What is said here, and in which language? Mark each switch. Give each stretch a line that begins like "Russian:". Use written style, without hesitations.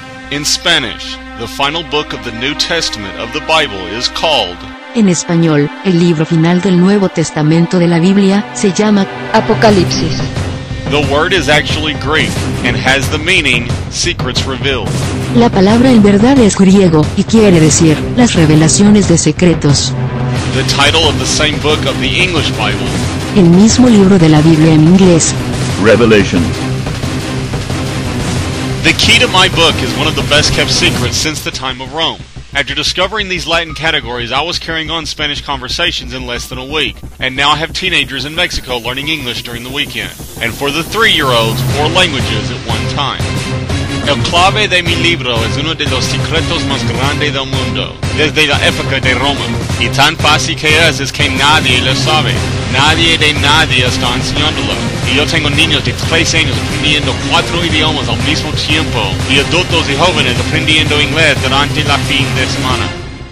English: In Spanish, the final book of the New Testament of the Bible is called...
Spanish: En español, el libro final del Nuevo Testamento de la Biblia se llama... Apocalipsis.
English: The word is actually Greek and has the meaning, secrets revealed.
Spanish: La palabra en verdad es griego y quiere decir, las revelaciones de secretos.
English: The title of the same book of the English Bible...
Spanish: El mismo libro de la Biblia en inglés...
English: Revelations. The key to my book is one of the best kept secrets since the time of Rome. After discovering these Latin categories, I was carrying on Spanish conversations in less than a week. And now I have teenagers in Mexico learning English during the weekend. And for the three-year-olds, four languages at one time.
Spanish: El clave de mi libro es uno de los secretos más grandes del mundo, desde la época de Roma. Y tan fácil que es que nadie lo sabe. Nadie de nadie está enseñándolo. Y yo tengo niños de 3 años aprendiendo 4 idiomas al mismo tiempo. Y adultos y jóvenes aprendiendo inglés durante la fin de semana.